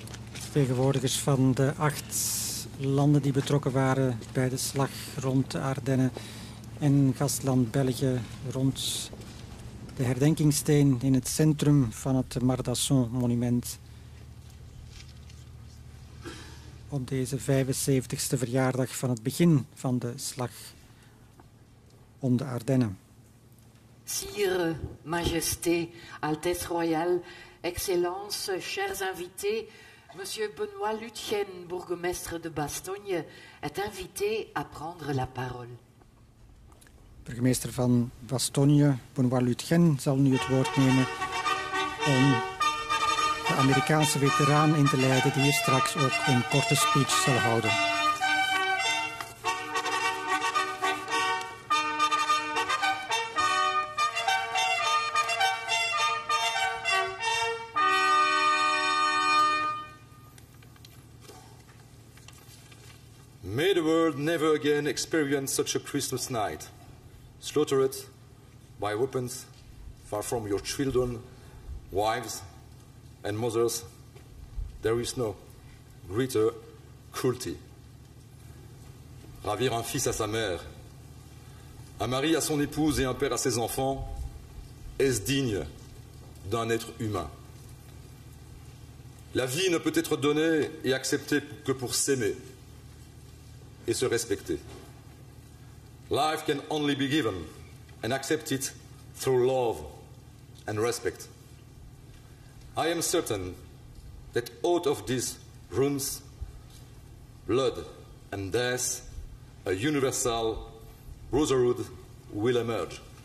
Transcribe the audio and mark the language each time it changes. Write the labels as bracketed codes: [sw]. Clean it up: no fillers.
[nl] Vertegenwoordigers van de 8 landen die betrokken waren bij de slag rond de Ardennen en gastland België rond de herdenkingssteen in het centrum van het Mardasson Memorial. op deze 75ste verjaardag van het begin van de slag om de Ardennen. [fr] Sire, majesté, altesse royale, excellence, chers invités, monsieur Benoît Lutgen, bourgmestre de Bastogne, est invité à prendre la parole. [nl] Burgemeester van Bastogne, Benoît Lutgen, zal nu het woord nemen om de Amerikaanse veteraan in te leiden die hier straks ook een korte speech zal houden. [en] May the world never again experience such a Christmas night. Slaughtered by weapons far from your children, wives, and mothers, there is no greater cruelty. [fr] Ravir un fils à sa mère, un mari à son épouse et un père à ses enfants, est-ce digne d'un être humain? La vie ne peut être donnée et acceptée que pour s'aimer et se respecter. [en] Life can only be given and accepted through love and respect. I am certain that out of these runes, blood and death, a universal brotherhood will emerge.